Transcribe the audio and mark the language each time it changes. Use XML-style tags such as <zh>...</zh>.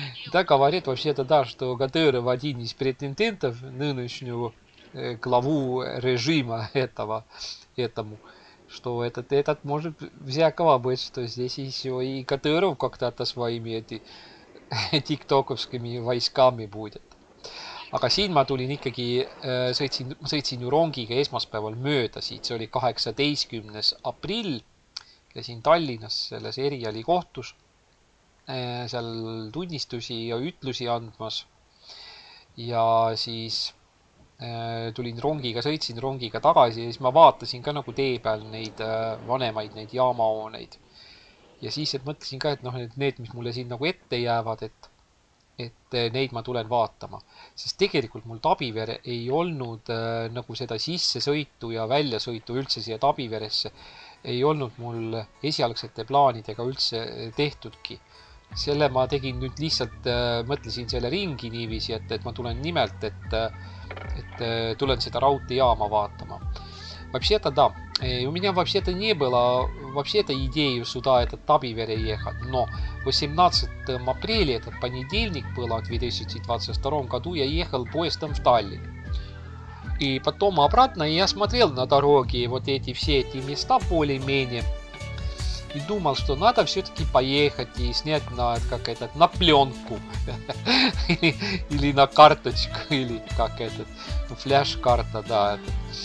<ru>Да, говорит, вообще-то да, что Кадыров один из претендентов нынешнего главу режима этому, что этот может всякого быть, что здесь еще и Кадыров когда-то своими тиктоковскими войсками будет.</ru> <et>Aga siin ma tulin ikkagi, sõitsin ju rongiga esmaspäeval mööda siit, see oli 18. aprill, käisin Tallinnas selles erialikohtus, seal tunnistusi ja ütlusi andmas. Ja siis tulin rongiga, sõitsin rongiga tagasi ja siis ma vaatasin ka nagu tee peal neid vanemaid, neid jaamahooneid. Ja siis et mõtlesin ka, et noh, need, mis mulle siin nagu ette jäävad, et neid ma tulen vaatama, sest tegelikult mul Tabivere ei olnud nagu seda sissesõitu ja väljasõitu üldse siia Tabiveresse, ei olnud mul esialgsete plaanidega üldse tehtudki. Selle ma tegin nüüd lihtsalt, mõtlesin selle ringi niiviisi, et ma tulen nimelt, et tulen seda raudteejaama vaatama.</et> <ru>У меня вообще-то не было вообще-то идеи сюда, этот Табивере ехать, но 18 апреля, этот понедельник был, в 2022 году, я ехал поездом в Таллин. И потом обратно я смотрел на дороге вот эти все эти места более-менее и думал, что надо все-таки поехать и снять на, как этот, на пленку или на карточку, или как этот, флеш-карта, да, этот.</ru>